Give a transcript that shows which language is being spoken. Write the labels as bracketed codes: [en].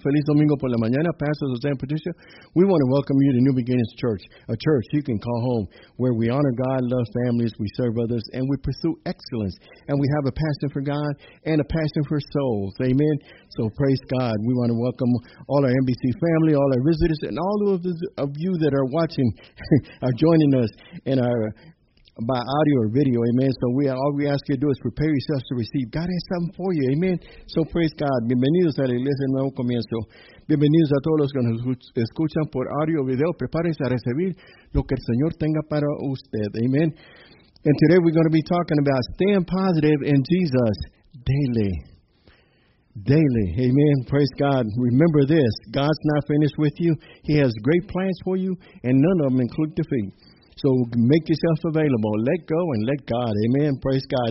[es] Feliz Domingo por la mañana, Pastor Jose [en] and Patricia. We want to welcome you to New Beginnings Church, a church you can call home, where we honor God, love families, we serve others, and we pursue excellence. And we have a passion for God and a passion for souls. Amen. So praise God. We want to welcome all our NBC family, all our visitors, and all of you that are watching, are joining us in our by audio or video, amen. So all we ask you to do is prepare yourselves to receive. God has something for you, amen. So praise God. [es] Bienvenidos a la iglesia en nuevo comienzo. Bienvenidos a todos los que nos escuchan por audio o video. Prepárense a recibir lo que el Señor tenga para usted, amen. [en] And today we're going to be talking about staying positive in Jesus daily. Daily, amen. Praise God. Remember this, God's not finished with you. He has great plans for you, and none of them include defeat. So make yourself available. Let go and let God. Amen. Praise God.